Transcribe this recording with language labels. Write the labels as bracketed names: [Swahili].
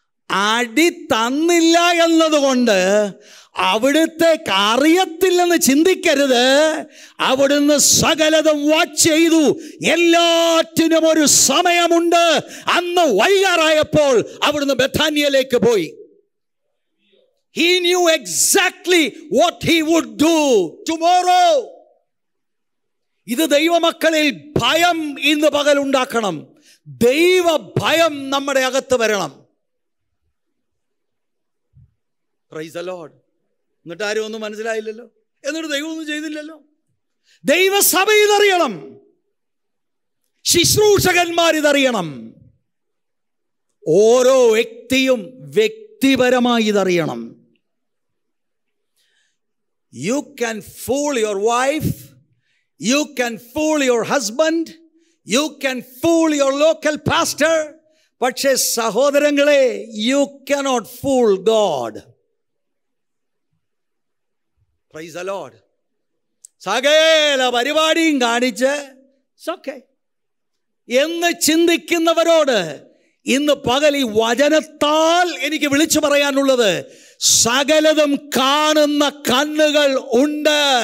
[Malayalam] അടി തന്നില്ല എന്നതുകൊണ്ട് അവിടുത്തേക്ക് അറിയത്തില്ലെന്ന് ചിന്തിക്കരുത്. അവിടുന്ന് സകലതും വാച്ച് ചെയ്തു. എല്ലാറ്റിനും ഒരു സമയമുണ്ട്. അന്ന് വൈകാറായപ്പോൾ അവിടുന്ന് ബെഥാനിയയിലേക്ക് പോയി. [English] He knew exactly what he would do tomorrow. [Malayalam] ഇത് ദൈവമക്കളിൽ ഭയം ഇന്ന് പകൽ ഉണ്ടാക്കണം. ദൈവ ഭയം നമ്മുടെ അകത്ത് വരണം. [English] Praise the Lord. [Malayalam] എന്നിട്ട് ആരും ഒന്നും മനസ്സിലായില്ലല്ലോ, എന്നിട്ട് ദൈവം ഒന്നും ചെയ്തില്ലല്ലോ. ദൈവസഭ ഇതറിയണം, ശുശ്രൂഷകന്മാർ ഇതറിയണം, ഓരോ വ്യക്തിയും വ്യക്തിപരമായി ഇതറിയണം. [English] You can fool your wife, you can fool your husband, you can fool your local pastor, [Malayalam] പക്ഷെ സഹോദരങ്ങളെ, [English] you cannot fool God. Praise the Lord. [Malayalam] സകല പരിപാടിയും കാണിച്ച് [English] it's okay [Malayalam] എന്ന് ചിന്തിക്കുന്നവരോട് ഇന്ന് പകൽ ഈ വചനത്താൽ എനിക്ക് വിളിച്ചു പറയാനുള്ളത്, സകലതും കാണുന്ന കണ്ണുകൾ ഉണ്ട്.